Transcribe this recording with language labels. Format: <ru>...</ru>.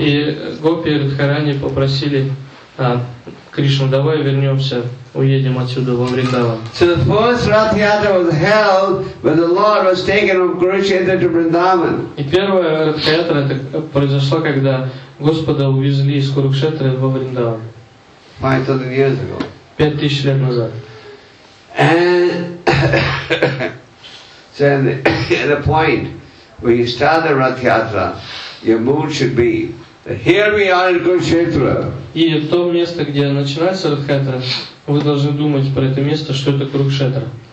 <ru>И гопи и Радхарани попросили Кришну, давай вернемся. Уедем отсюда во Вриндаван.</ru> <en>So the first Rath Yatra was held when the Lord was taken from Kurukshetra to Vrindavan.</en> <ru>И первая Rath Yatra произошла, когда Господа увезли из Курукшетры во Вриндаван.</ru> <en>5,000 years ago.</en> <ru>5,000 лет назад.</ru> <en>And so at the point when you start the Rath Yatra, your mood should be that here we are in Kurukshetra.</en> <ru>И в том месте, где начинается Rath Yatra, вы должны думать про это место, что это Курукшетра.</ru>